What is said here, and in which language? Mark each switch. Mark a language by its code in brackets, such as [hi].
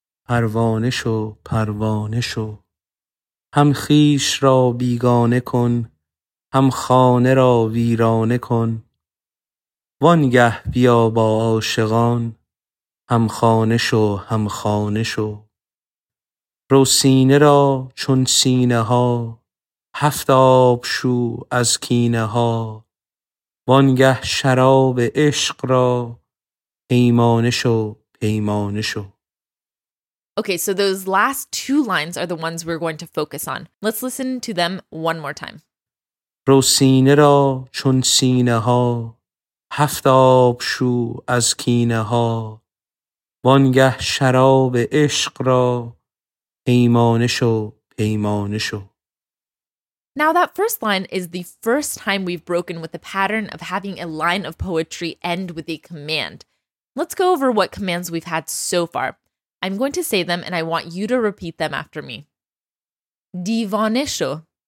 [fa] پروانه شو پروانه شو هم خیش را بیگانه کن هم خانه را ویرانه کن وانگه بیا با عاشقان هم خانه شو هم خانه شو رو سینه را چون سینه ها هفت آب شو از کینه ها وانگه شراب عشق را پیمانه شو پیمانه شو. [en] Okay, so those last 2 lines are the ones we're going to focus on. Let's listen to them one more time. رو سینه را چون سینه ها هفت آب شو از کینه ها وانگه شراب عشق را پیمانه شو پیمانه شو. Now that first line is the first time we've broken with the pattern of having a line of poetry end with a command. Let's go over what commands we've had so far. I'm going to say them, and I want you to repeat them after me. [fa] Deevané sho.